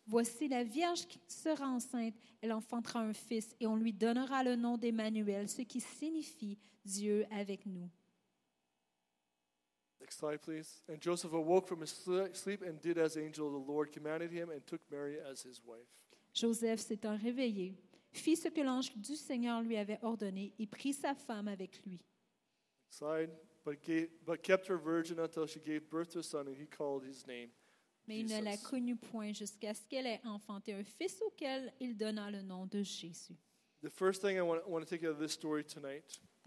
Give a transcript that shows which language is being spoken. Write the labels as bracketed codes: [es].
[fr] Voici la vierge qui sera enceinte, elle enfantera un fils et on lui donnera le nom d'Emmanuel, ce qui signifie Dieu avec nous. [en] Next slide, please. And Joseph awoke from his sleep and did as the angel of the Lord commanded him and took Mary as his wife. [fr] Joseph s'étant réveillé, fit ce que l'ange du Seigneur lui avait ordonné et prit sa femme avec lui. [en] Next slide. But kept her virgin until she gave birth to a son and he called his name Jesus. [fr] Mais il ne la connut point jusqu'à ce qu'elle ait enfanté un fils auquel il donna le nom de Jésus. [en] The first thing I want to take out of this story tonight.